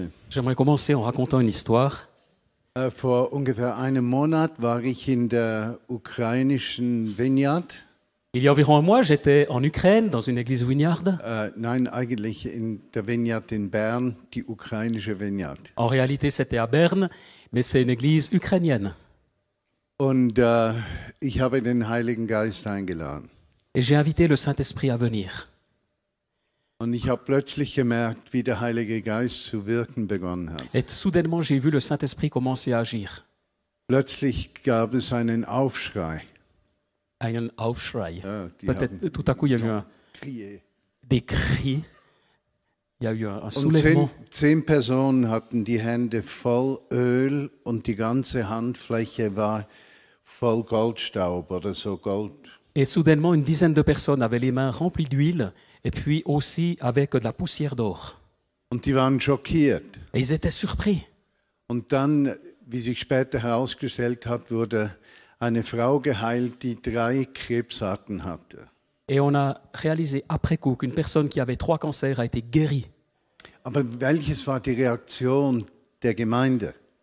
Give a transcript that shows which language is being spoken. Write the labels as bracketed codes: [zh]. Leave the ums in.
[fr] J'aimerais commencer en racontant une histoire. [de] Uh, vor ungefähr einem Monat war ich in der ukrainischen Vineyard. [fr] Il y a environ un mois, j'étais en Ukraine dans une église Vineyard. [de] Uh, nein, eigentlich in der Vineyard in Bern, die ukrainische Vineyard. [fr] En réalité, c'était à Berne, mais c'est une église ukrainienne. [de] Und uh, ich habe den Heiligen Geist eingeladen. [fr] Et j'ai invité le Saint-Esprit à venir. [de] Und ich habe plötzlich gemerkt, wie der Heilige Geist zu wirken begonnen hat. [fr] Et soudainement, j'ai vu le Saint-Esprit commencer à agir. [de] Plötzlich gab es einen Aufschrei. Einen Aufschrei. Ja, die haben, [fr] tout à coup, [de] ein, [fr] un, il y a eu un des [de] Und zehn, zehn Personen hatten die Hände voll Öl und die ganze Handfläche war voll Goldstaub oder so Gold. [fr] Et soudainement, une dizaine de personnes avaient les mains remplies d'huile et puis aussi avec de la poussière d'or. Et ils étaient surpris. [de] Und dann, wie sich später herausgestellt hat, wurde eine Frau geheilt, die drei Krebsarten hatte. [fr] Et on a réalisé après coup qu'une personne qui avait trois cancers a été guérie. [de] Aber welches war die Reaktion der Gemeinde?